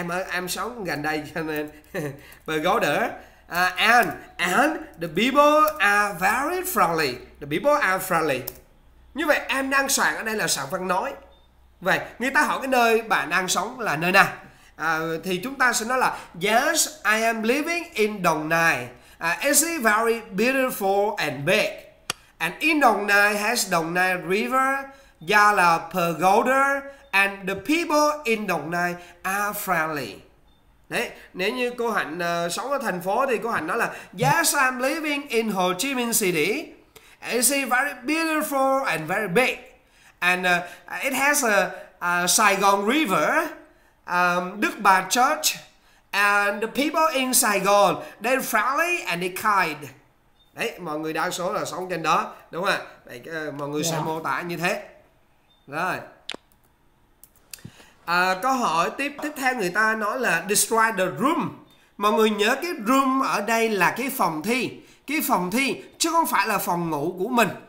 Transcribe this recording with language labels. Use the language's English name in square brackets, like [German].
[Vietnamese] Em sống gần đây cho nên Pagoda. [English] And the people are very friendly. [Vietnamese] Như vậy em đang soạn ở đây là soạn văn nói. Vậy người ta hỏi cái nơi bạn đang sống là nơi nào thì chúng ta sẽ nói là [English] yes, I am living in Đồng Nai. It's very beautiful and big. And in Đồng Nai has Đồng Nai River, Gia Lào Pagoda, and the people in Đồng Nai are friendly. [Vietnamese] Đấy, nếu như cô Hạnh sống ở thành phố thì cô Hạnh nói là [English] yes, I'm living in Ho Chi Minh City. It's very beautiful and very big. And it has a Saigon River, Đức Bà Church, and the people in Saigon, they're friendly and they're kind. [Vietnamese] Đấy, mọi người đa số là sống trên đó, đúng không ạ? Vậy mọi người sẽ mô tả như thế. Rồi. Câu hỏi tiếp theo người ta nói là [English] describe the room. [Vietnamese] Mọi người nhớ cái room ở đây là cái phòng thi. Cái phòng thi chứ không phải là phòng ngủ của mình.